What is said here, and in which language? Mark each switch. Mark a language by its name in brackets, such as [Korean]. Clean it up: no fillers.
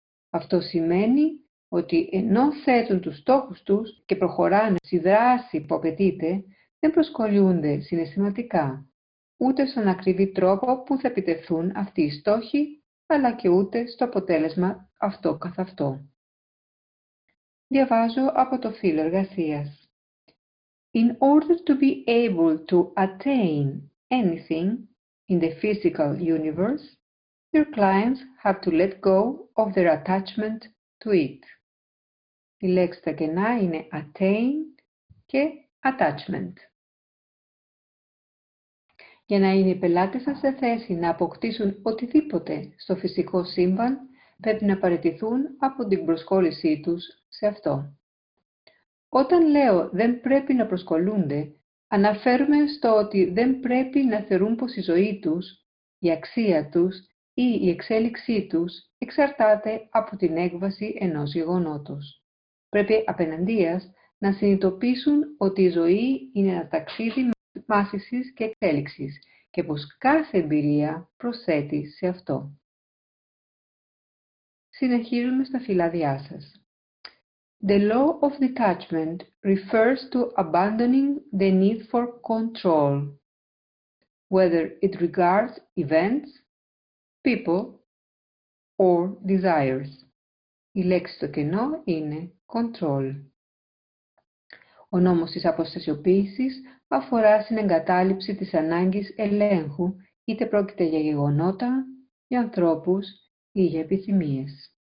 [Greek] Αυτό σημαίνει ότι ενώ θέτουν τους στόχους τους και προχωράνε στη δράση που απαιτείται, δεν προσκολούνται συναισθηματικά, ούτε στον ακριβή τρόπο που θα επιτευχθούν αυτοί οι στόχοι, αλλά και ούτε στο αποτέλεσμα αυτό καθ' αυτό. Διαβάζω από το φύλλο εργασίας. [English] In order to be able to attain anything in the physical universe, your clients have to let go of their attachment to it. [Greek] Οι λέξεις τα κενά είναι attain και attachment. Για να είναι οι πελάτες σας σε θέση να αποκτήσουν οτιδήποτε στο φυσικό σύμπαν, πρέπει να παραιτηθούν από την προσκόλλησή τους σε αυτό. Όταν λέω δεν πρέπει να προσκολούνται, αναφέρουμε στο ότι δεν πρέπει να θεωρούν πως η ζωή τους, η αξία τους ή η εξέλιξή τους εξαρτάται από την έκβαση ενός γεγονότος. Πρέπει απέναντίας να συνειδητοποιήσουν ότι η ζωή είναι ένα ταξίδι μάθησης και εξέλιξης και πως κάθε εμπειρία προσθέτει σε αυτό. Συνεχίζουμε στα φυλάδιά σας. [English] The law of detachment refers to abandoning the need for control, whether it regards events, people, or desires. [Greek] Η λέξη στο κενό είναι control. Ο νόμος της αποστασιοποίησης αφορά στην εγκατάλειψη της ανάγκης ελέγχου, είτε πρόκειται για γεγονότα, για ανθρώπους ή για επιθυμίες.